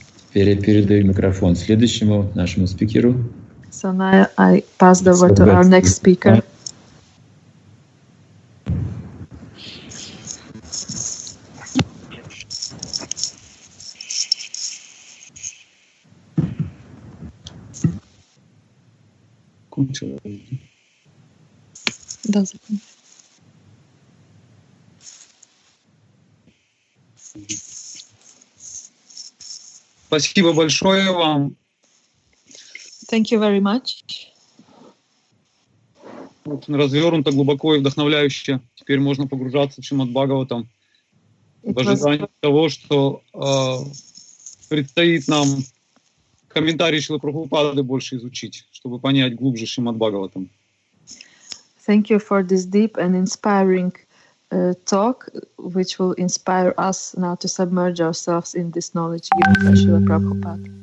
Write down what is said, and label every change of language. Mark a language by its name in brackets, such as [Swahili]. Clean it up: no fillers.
[Russian] Теперь я передаю микрофон следующему нашему спикеру. [English] So now I pass the word to our next speaker. [Russian] Да, спасибо большое вам. [English] Thank you very much. [Russian] Вот развернуто, глубоко и вдохновляюще. Теперь можно погружаться в Шримад Бхагаватам. В ожидании того, что предстоит нам комментарии Шрилы Прабхупады больше изучить, чтобы понять глубже Шримад Бхагаватам. [English] Thank you for this deep and inspiring talk, which will inspire us now to submerge ourselves in this knowledge given by Шрила Прабхупад.